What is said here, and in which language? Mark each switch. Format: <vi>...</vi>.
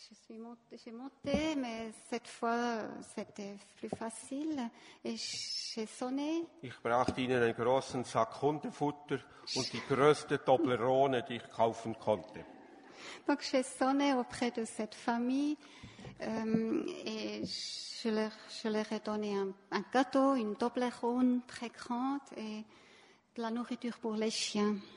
<fr>J'ai monté, mais cette fois c'était plus facile et j'ai sonné.</fr> <de>Ich brachte ihnen einen großen Sack Hundefutter und die größte Toblerone, die ich kaufen konnte.</de> <fr>Donc j'ai sonné auprès de cette famille et je leur ai donné un gâteau, une Toblerone très grande et de la nourriture pour les chiens.</fr>